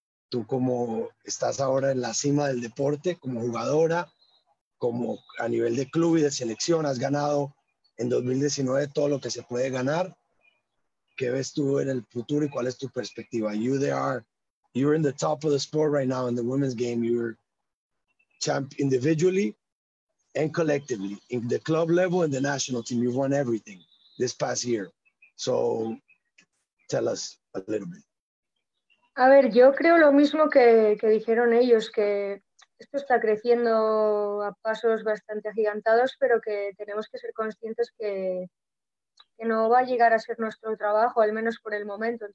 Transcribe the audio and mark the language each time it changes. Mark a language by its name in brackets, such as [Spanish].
[Spanish] tú como estás ahora en la cima del deporte, como jugadora, como a nivel de club y de selección, has ganado en 2019 todo lo que se puede ganar. ¿Qué ves tú en el futuro y cuál es tu perspectiva? [English] You're in the top of the sport right now in the women's game. You're champ individually and collectively. In the club level and the national team, you've won everything this past year. So tell us a little bit. [Spanish] A ver, yo creo lo mismo que dijeron ellos, que esto está creciendo a pasos bastante agigantados, pero que tenemos que ser conscientes que no va a llegar a ser nuestro trabajo, al menos por el momento.